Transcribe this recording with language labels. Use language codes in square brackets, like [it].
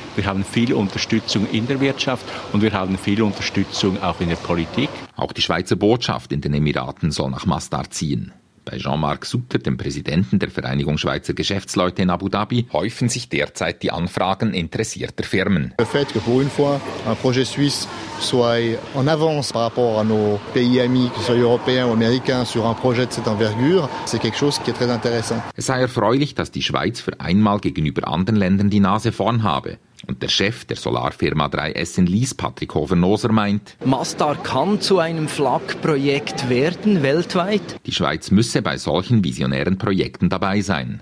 [de] Wir haben viel Unterstützung in der Wirtschaft und wir haben viel Unterstützung auch in der Politik. Auch die Schweizer Botschaft in den Emiraten soll nach Masdar ziehen. Bei Jean-Marc Sutter, dem Präsidenten der Vereinigung Schweizer Geschäftsleute in Abu Dhabi, häufen sich derzeit die Anfragen interessierter Firmen. [fr] Le fait que pour une fois un projet suisse soit en avance par rapport à nos pays amis, que ce soit européens ou américains, sur un projet de cette envergure, c'est quelque chose qui est très intéressant. [de] Es sei erfreulich, dass die Schweiz für einmal gegenüber anderen Ländern die Nase vorn habe. Und der Chef der Solarfirma 3S in Lies, Patrick Hofer-Noser, meint, Masdar kann zu einem Flaggprojekt werden, weltweit. Die Schweiz müsse bei solchen visionären Projekten dabei sein.